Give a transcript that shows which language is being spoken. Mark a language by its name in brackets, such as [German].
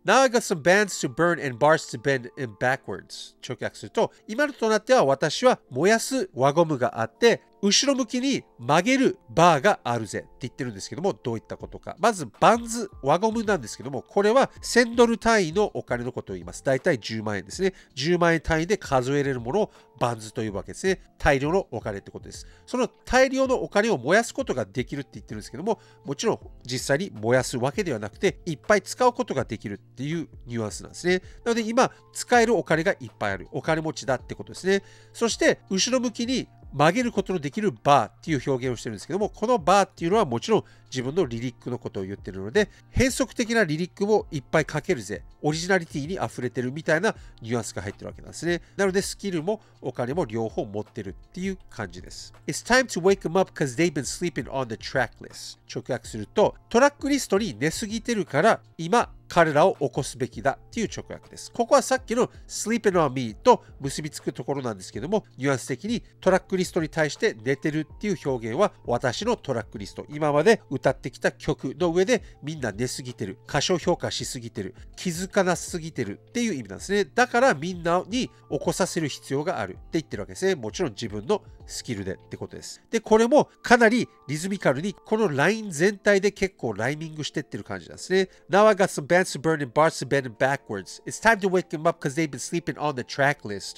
[English] Now I got some bands to burn and bars to bend in backwards. [Japanese] 直訳すると、今のとなっては私は燃やす輪ゴムがあって、後ろ向きに曲げるバーがあるぜって言ってるんですけども、どういったことか。まずバンズ、輪ゴムなんですけども、これは1000ドル単位のお金のことを言います。だいたい10万円ですね。 10万円単位で数えれるものをバンズというわけですね。大量のお金ってことです。その大量のお金を燃やすことができるって言ってるんですけども、もちろん実際に燃やすわけではなくて、いっぱい使うことができるっていうニュアンスなんですね。なので今使えるお金がいっぱいある、お金持ちだってことですね。そして後ろ向きに曲げることのできるバーっていう表現をしてるんですけども、このバーっていうのはもちろん自分のリリックのことを言ってるので、変則的なリリックをいっぱい書けるぜ、オリジナリティに溢れてるみたいなニュアンスが入ってるわけなんですね。なのでスキルもお金も両方持ってるっていう感じです。 [English] It's time to wake them up because they've been sleeping on the track list. [Japanese] 直訳すると、トラックリストに寝すぎてるから今彼らを起こすべきだっていう直訳です。ここはさっきの [English] sleeping on me [Japanese] と結びつくところなんですけども、ニュアンス的にトラックリストに対して寝てるっていう表現は、私のトラックリスト、今まで歌ってきた曲の上でみんな寝すぎてる、過小評価しすぎてる、気づかなすぎてるっていう意味なんですね。だからみんなに起こさせる必要があるって言ってるわけですね。もちろん自分のスキルでってことです。でこれもかなりリズミカルに、このライン全体で結構ライミングしてってる感じなんですね。 [English] Now I got some bands to burn and bars to bend and backwards. It's time to wake them up because they've been sleeping on the track list.